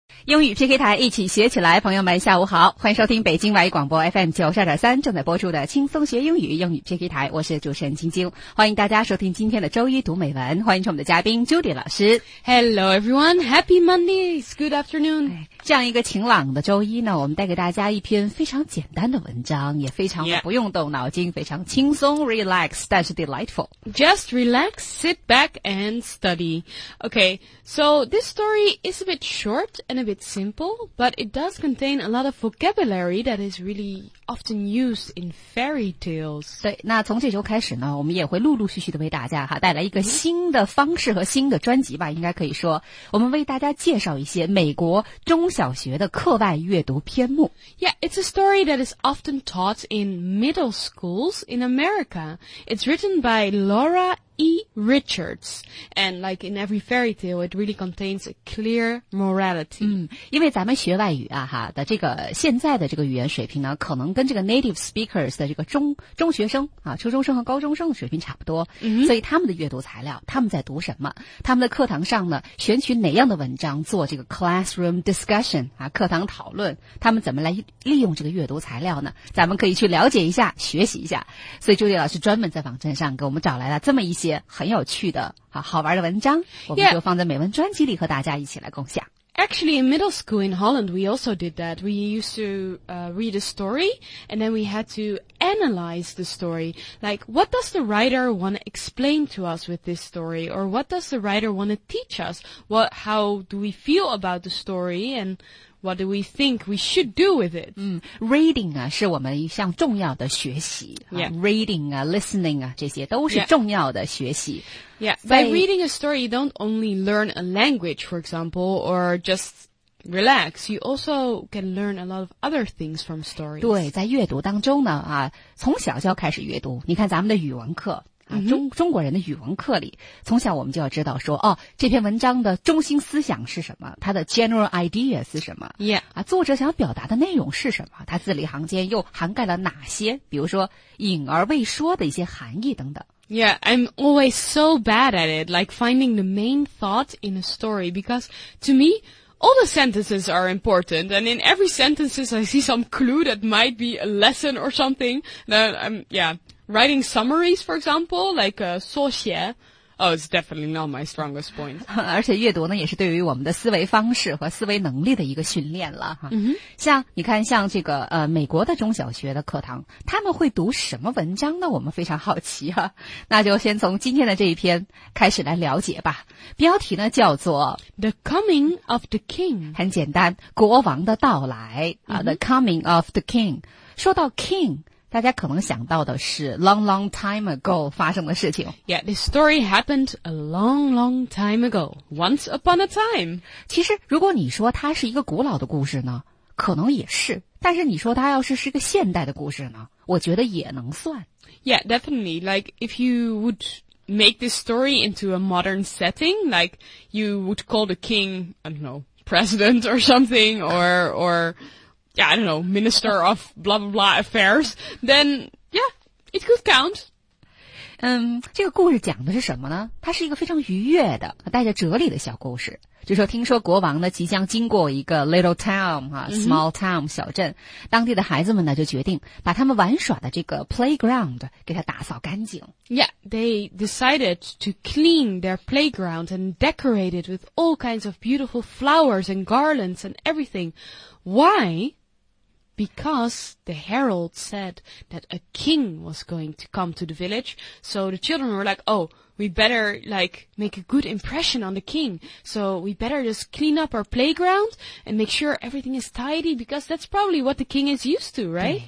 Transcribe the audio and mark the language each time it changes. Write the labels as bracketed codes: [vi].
[zh] 英语 PK 台一起学起来，朋友们下午好，欢迎收听北京外语广播 FM92.3 正在播出的轻松学英语英语 PK 台，我是主持人晶晶，欢迎大家收听今天的周一读美文，欢迎我们的嘉宾 Judy 老师。 [en] Hello everyone, happy Monday, it's good afternoon. [zh] 这样一个晴朗的周一呢，我们带给大家一篇非常简单的文章，也非常的不用动脑筋，非常轻松 relax, 但是 delightful. [en] Just relax, sit back and study. Okay, so this story is a bit short and a bit simple, but it does contain a lot of vocabulary that is really often used in fairy tales. [zh] 对，那从这周开始呢，我们也会陆陆续续的为大家哈带来一个新的方式和新的专辑吧，应该可以说，我们为大家介绍一些美国中小学的课外阅读篇目。 [en] Yeah, it's a story that is often taught in middle schools in America. It's written by Laura E. Richards. And like in every fairy tale, it really contains a clear morality. [zh] 嗯，因为咱们学外语啊哈的这个现在的这个语言水平呢，可能跟这个 [en] native speakers [zh] 的这个中学生啊，初中生和高中生的水平差不多。 Mm-hmm. 所以他们的阅读材料，他们在读什么，他们的课堂上呢，选取哪样的文章做这个 [en] classroom discussion [zh] 啊，课堂讨论，他们怎么来利用这个阅读材料呢？咱们可以去了解一下，学习一下。所以朱迪老师专门在网站上给我们找来了这么一些很有趣的啊好玩的文章，我们就放在美文专辑里和大家一起来共享。 [en] Actually, in middle school in Holland, we also did that. We used to, read a story, and then we had to analyze the story. Like, what does the writer want to explain to us with this story? Or what does the writer want to teach us? What, how do we feel about the story? And what do we think we should do with it? [zh] Reading 啊，是我们一项重要的学习。 [en] Yeah. [zh] Reading 啊 ,listening 啊，这些都是重要的学习。 [en] Yeah. Yeah, by reading a story, you don't only learn a language, for example, or just relax. You also can learn a lot of other things from stories. [zh] 对，在阅读当中呢，啊，从小就要开始阅读。你看咱们的语文课，啊，中国人的语文课里，从小我们就要知道说，哦，这篇文章的中心思想是什么，它的 [en] general idea [zh] 是什么。 [en] Yeah. [zh] 啊，作者想要表达的内容是什么，它字里行间又涵盖了哪些，比如说隐而未说的一些含义等等。 [en] Yeah, I'm always so bad at it, like finding the main thought in a story, because to me, all the sentences are important, and in every sentence I see some clue that might be a lesson or something. Then I'm, yeah, writing summaries, for example, like, 缩写. Oh, it's definitely not my strongest point. [zh] 而且阅读呢，也是对于我们的思维方式和思维能力的一个训练了。 Mm-hmm. 像你看，像这个美国的中小学的课堂，他们会读什么文章呢？我们非常好奇啊。那就先从今天的这一篇开始来了解吧。标题呢叫做 [en] The Coming of the King. [zh] 很简单，国王的到来。Mm-hmm. [en] The Coming of the King. [zh] 说到 King,大家可能想到的是 [en] long long time ago [zh] 发生的事情。 [en] Yeah, this story happened a long long time ago, once upon a time. [zh] 其实如果你说它是一个古老的故事呢，可能也是，但是你说它要是是一个现代的故事呢，我觉得也能算。 [en] Yeah, definitely, like if you would make this story into a modern setting, like you would call the king, I don't know, president or something, or Yeah, I don't know, minister of blah blah blah affairs, then, yeah, it could count. [zh] 这个故事讲的是什么呢？它是一个非常愉悦的，带着哲理的小故事。就说听说国王呢，即将经过一个 [en] little town, [zh] 啊 [en] small town,、 [zh] mm-hmm. 小镇。当地的孩子们呢，就决定把他们玩耍的这个 playground 给它打扫干净。 [en] Yeah, they decided to clean their playground and decorate it with all kinds of beautiful flowers and garlands and everything. Why? Because the herald said that a king was going to come to the village, so the children were like, oh, we better, like, make a good impression on the king, so we better just clean up our playground and make sure everything is tidy, because that's probably what the king is used to, right?